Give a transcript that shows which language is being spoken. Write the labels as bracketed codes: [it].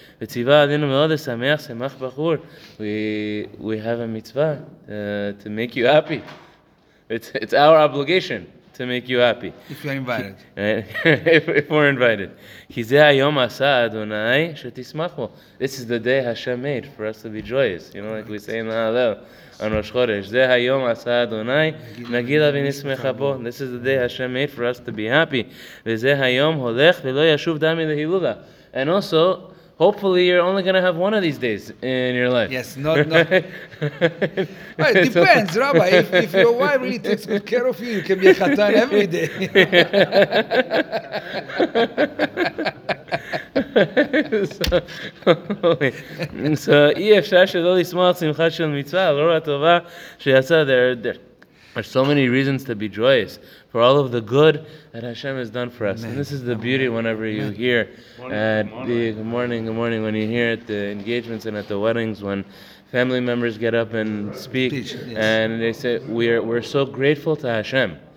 [he] וציווה עלינו מאוד לשמח, שמח בחור. [en] We have a mitzvah to make you happy. It's our obligation. to make you happy. If you're invited. if we're invited. [he] Kizeh ayom asah Adonai shetismachu. [en] This is the day Hashem made for us to be joyous. You know, like we say in the Hallel on Rosh Chodesh. [he] Zeh ayom asah Adonai nagila v'nismecha bo. [en] This is the day Hashem made for us to be happy. [he] Vezeh ayom holech v'lo yashuv dami lehilula. [en] And also, hopefully, you're only going to have one of these days in your life. Yes, not. Well, it depends, Rabbi. If your wife really takes good care of you, you can be a chatan every day. [he] So, אפשר שלא לשמוח שמחה של מצווה, לא רואה טובה שיצא. [en] There are so many reasons to be joyous for all of the good that Hashem has done for us. Amen. And this is the beauty whenever you hear good morning, when you hear at the engagements and at the weddings, when family members get up and speak. Yes. And they say, we're so grateful to Hashem.